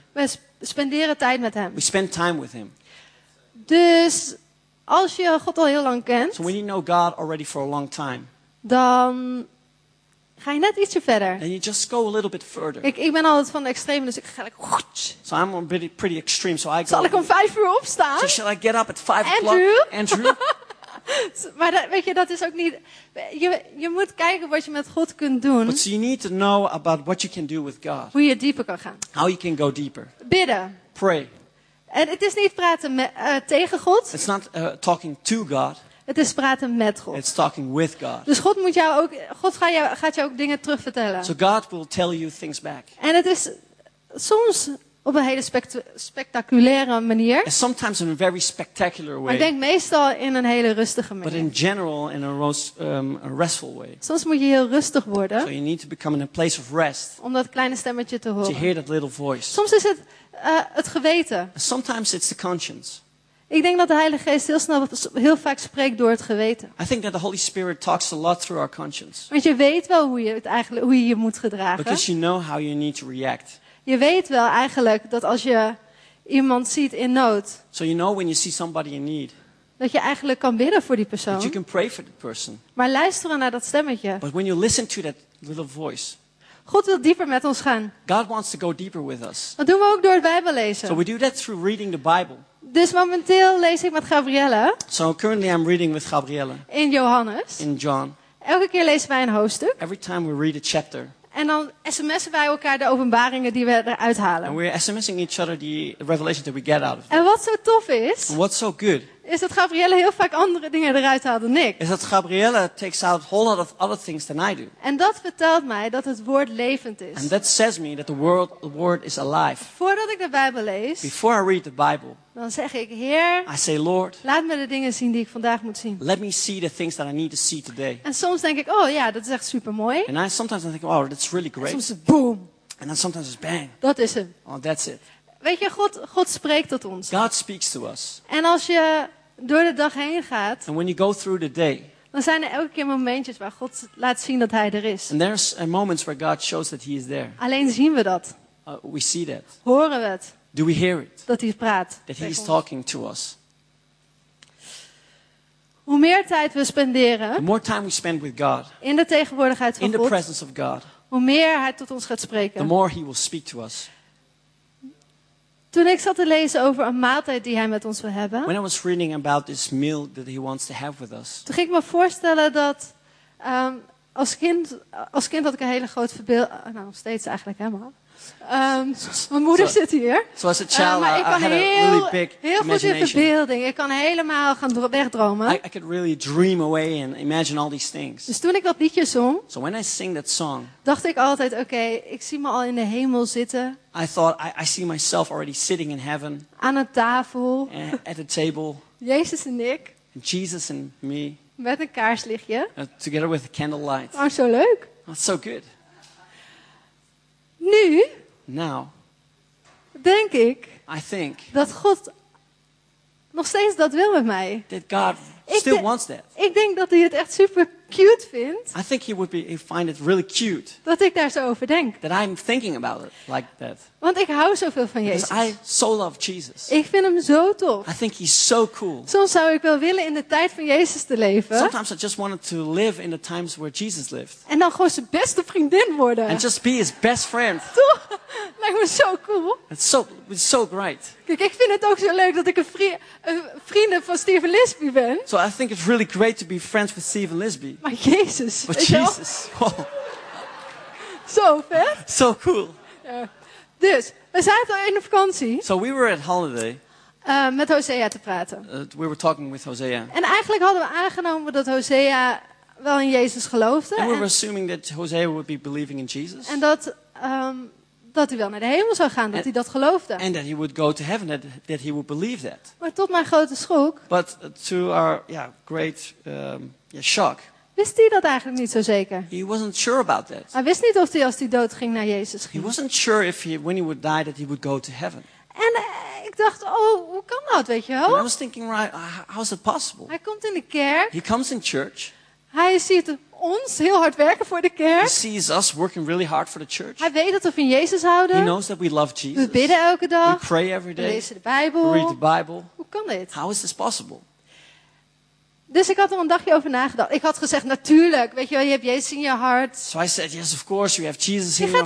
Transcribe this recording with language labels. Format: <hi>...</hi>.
<nl>We spenderen tijd met hem.</nl> <en>We spend time with him.</en> <nl>Dus als je God al heel lang kent,</nl> <en>so when you know God already for a long time,</en> <nl>dan ga je net ietsje verder.</nl> <en>And you just go a little bit further.</en> <nl>Ik ben altijd van de extreme, dus ik ga like,</nl> <en>so I'm a bit pretty extreme, so I go.</en> <nl>Zal ik om 5 uur opstaan?</nl> <en>So shall I get up at 5 o'clock?</en> <nl>Andrew? Maar dat, weet je, dat is ook niet. Je moet kijken wat je met God kunt doen.</nl> <en>But so you need to know about what you can do with God.</en> <nl>Hoe je dieper kan gaan.</nl> <en>How you can go deeper.</en> <nl>Bidden.</nl> <en>Pray.</en> <nl>En het is niet praten tegen God.</nl> <en>It's not talking to God.</en> <nl>Het is praten met God.</nl> <en>It's talking with God.</en> <nl>Dus God moet jou ook, God gaat jou ook dingen terugvertellen.</nl> <en>So God will tell you things back.</en> <nl>En het is soms op een hele spectaculaire manier.</nl> <en>And sometimes in a very spectacular way.</en> <nl>Maar ik denk meestal in een hele rustige manier.</nl> <en>But in general in a restful way.</en> <nl>Soms moet je heel rustig worden.</nl> <en>So you need to become in a place of rest.</en> <nl>Om dat kleine stemmetje te horen.</nl> <en>To hear that little voice.</en> <nl>Soms is het het geweten.</nl> <en>Sometimes it's the conscience.</en> <nl>Ik denk dat de Heilige Geest heel snel heel vaak spreekt door het geweten.</nl> <en>I think that the Holy Spirit talks a lot through our conscience.</en> <nl>Want je weet wel hoe je moet gedragen.</nl> <en>Because you know how you need to react.</en> <nl>Je weet wel eigenlijk dat als je iemand ziet in nood.</nl> <en>So you know when you see somebody in need.</en> <nl>Dat je eigenlijk kan bidden voor die persoon.</nl> <en>That you can pray for the person.</en> <nl>Maar luisteren naar dat stemmetje.</nl> <en>But when you listen to that little voice.</en> <nl>God wil dieper met ons gaan.</nl> <en>God wants to go deeper with us.</en> <nl>Dat doen we ook door het Bijbel lezen.</nl> <en>So we do that through reading the Bible.</en> <nl>Dus momenteel lees ik met Gabrielle.</nl> <en>So currently I'm reading with Gabrielle.</en> <nl>In Johannes.</nl> <en>In John.</en> <nl>Elke keer lezen wij een hoofdstuk.</nl> <en>Every time we read a chapter.</en> <nl>En dan sms'en wij elkaar de openbaringen die we eruit halen.</nl> <en>And we're sms'ing each other the revelation that we get out of it.</en> <nl>En wat zo tof is.</nl> <en>And what's so good.</en> <nl>Is dat Gabrielle heel vaak andere dingen eruit haalt dan ik. Is dat</nl> <en>Gabrielle takes out a whole lot of other things than I do.</en> <nl>En dat vertelt mij dat het woord levend is.</nl> <en>And that says me that the word is alive.</en> <nl>Voordat ik de Bijbel lees.</nl> <en>Before I read the Bible.</en> <nl>Dan zeg ik, Heer.</nl> <en>I say, Lord.</en> <nl>Laat me de dingen zien die ik vandaag moet zien.</nl> <en>Let me see the things that I need to see today.</en> <nl>En soms denk ik, oh ja, dat is echt super mooi.</nl> <en>And sometimes I think, oh, that's really great.</en> <nl>En soms is boom.</nl> <en>And then sometimes it's bang.</en> <nl>Dat is het.</nl> <en>Oh, that's it.</en> <nl>Weet je, God spreekt tot ons.</nl> <en>God speaks to us.</en> <nl>En als je door de dag heen gaat.</nl> <en>And when you go through the day.</en> <nl>Dan zijn er elke keer momentjes waar God laat zien dat hij er is.</nl> <en>And there's moments where God shows that he is there.</en> <nl>Alleen zien we dat.</nl> <en>We see that.</en> <nl>Horen we het.</nl> <en>Do we hear it?</en> <nl>Dat hij praat.</nl> <en>That he is talking to us.</en> <nl>Hoe meer tijd we spenderen.</nl> <en>The more time we spend with God.</en> <nl>In de tegenwoordigheid van in God.</nl> <en>In the presence of God.</en> <nl>Hoe meer hij tot ons gaat spreken.</nl> <en>The more he will speak to us.</en> <nl>Toen ik zat te lezen over een maaltijd die hij met ons wil hebben.</nl> <en>When I was reading about this meal that he wants to have with us.</en> <nl>Toen ging ik me voorstellen dat als kind had ik een hele grote verbeelding. Nou, nog steeds eigenlijk helemaal. Mijn moeder zit hier.</nl> <en>So as a child,</en> <nl>maar ik kan heel goed in verbeelding. Ik kan helemaal gaan wegdromen.</nl> <en>I could really dream away and imagine all these things.</en> <nl>Dus toen ik dat liedje zong.</nl> <en>So when I sing that song.</en> <nl>Dacht ik altijd, okay, ik zie me al in de hemel zitten.</nl> <en>I thought, I see myself already sitting in heaven.</en> <nl>Aan een tafel.</nl> <en>At a table.</en> <nl>Jezus en ik.</nl> <en>And Jesus and me.</en> <nl>Met een kaarslichtje.</nl> <en>Together with a candlelight.</en> <nl>Oh, zo leuk.</nl> <en>That's so good.</en> <nl>Nu,</nl> <en>now,</en> <nl>denk ik,</nl> <en>I think,</en> <nl>dat God nog steeds dat wil met mij.</nl> <en>That God still wants that.</en> <nl>Ik denk dat hij het echt super cute vind.</nl> <en>I think he would be he find it really cute.</en> <nl>Dat ik daar zo over denk.</nl> <en>That I'm thinking about it like that.</en> <nl>Want ik hou zoveel van Jezus.</nl> <en>Because I so love Jesus.</en> <nl>Ik vind hem zo tof.</nl> <en>I think he's so cool.</en> <nl>Soms zou ik wel willen in de tijd van Jezus te leven.</nl> <en>Sometimes I just wanted to live in the times where Jesus lived.</en> <nl>En dan gewoon zijn beste vriendin worden.</nl> <en>And just be his best friend.</en> <nl>Lijkt me zo cool.</nl> <en>It's so great.</en> <nl>Kijk, ik vind het ook zo leuk dat ik een vrienden van Steven Lisby ben.</nl> <en>So I think it's really great to be friends with Steven Lisby.</en> <nl>Maar Jezus.</nl> <en>But Jesus.</en> <nl>Zo vet.</nl> <en>So cool.</en> <nl>Ja. Dus, we zaten al in de vakantie.</nl> <en>So we were at holiday.</en> <nl>Met Hosea te praten.</nl> <en>We were talking with Hosea.</en> <nl>En eigenlijk hadden we aangenomen dat Hosea wel in Jezus geloofde.</nl> <en>And we were assuming that Hosea would be believing in Jesus.</en> <nl>En dat... Dat hij wel naar de hemel zou gaan, dat hij dat geloofde.</nl> <en>And that he would go to heaven, that he would believe that.</en> <nl>Maar tot mijn grote schok.</nl> <en>But to our great shock.</en> <nl>Wist hij dat eigenlijk niet zo zeker?</nl> <en>He wasn't sure about that.</en> <nl>Hij wist niet of hij als hij dood ging naar Jezus ging.</nl> <en>He wasn't sure if he when he would die that he would go to heaven.</en> <nl>En ik dacht, oh, hoe kan dat, weet je wel?</nl> <en>And I was thinking, right, how is it possible?</en> <nl>Hij komt in de kerk.</nl> <en>He comes in church.</en> <nl>Hij ziet ons heel hard werken voor de kerk.</nl> <en>He sees us working really hard for the church.</en> <nl>Hij weet dat we van Jezus houden.</nl> <en>He knows that we love Jesus.</en> <nl>We bidden elke dag.</nl> <en>We pray every day.</en> <nl>We lezen de Bijbel.</nl> <en>We read the Bible.</en> <nl>Hoe kan dit?</nl> <en>How is this possible?</en> <nl>Dus ik had er een dagje over nagedacht. Ik had gezegd, natuurlijk, weet je wel, je hebt Jezus in je hart.</nl> <en>So I said, yes, of course, you have Jesus in your</en>